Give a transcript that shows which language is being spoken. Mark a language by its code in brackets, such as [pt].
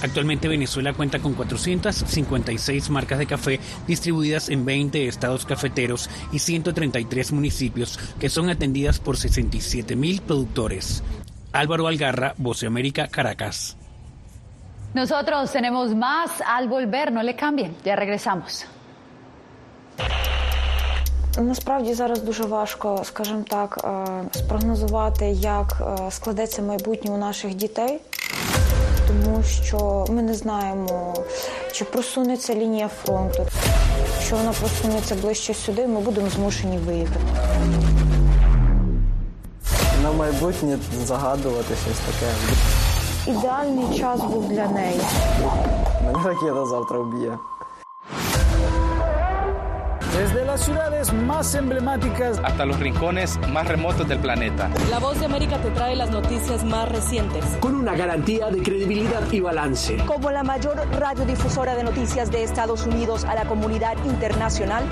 [es] Actualmente Venezuela cuenta con 456 marcas de café distribuidas en 20 estados cafeteros y 133 municipios que son atendidas por 67.000 productores. Álvaro Algarra, Voz de América, Caracas. Nosotros tenemos más al volver, no le cambien, ya regresamos. [uk] Насправді зараз дуже важко, скажем так, спрогнозувати, як складеться майбутнє у наших дітей, тому що ми не знаємо, чи просунеться лінія фронту, що вона просунеться ближче сюди, ми будемо змушені виїхати. На майбутнє загадувати щось таке. Ідеальний час був для неї. Мене ракета завтра вб'є. [es] Desde las ciudades más emblemáticas hasta los rincones más remotos del planeta. La Voz de América te trae las noticias más recientes. Con una garantía de credibilidad y balance. Como la mayor radiodifusora de noticias de Estados Unidos a la comunidad internacional.